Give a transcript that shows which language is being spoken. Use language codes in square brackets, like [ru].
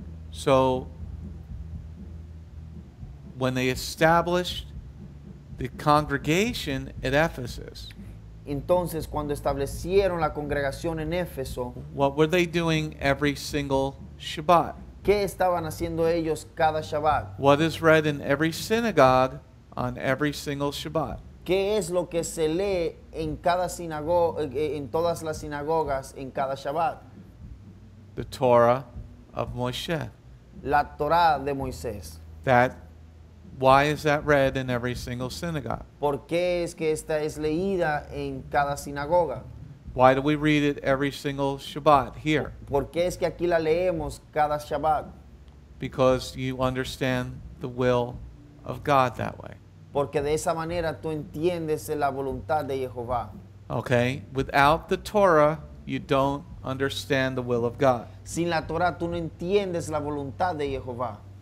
[en] So, when they established the congregation at Ephesus. [es] Entonces, cuando establecieron la congregación en Éfeso, [en] what were they doing every single Shabbat? [es] ¿Qué estaban haciendo ellos cada Shabbat? [en] What is read in every synagogue on every single Shabbat? [es] ¿Qué es lo que se lee en cada en todas las sinagogas en cada Shabbat? [en] The Torah of Moshe. [es] La Torah de Moisés. [en] Why is that read in every single synagogue? [es] ¿Por qué es que esta es leída en cada sinagoga? [en] Why do we read it every single Shabbat here? [es] ¿Por qué es que aquí la leemos cada Shabbat? [en] Because you understand the will of God that way. [es] Porque de esa manera tú entiendes la voluntad de Jehová. [en] Okay, without the Torah, you don't understand the will of God. [es] Sin la Torah, tú no entiendes la voluntad de Jehová.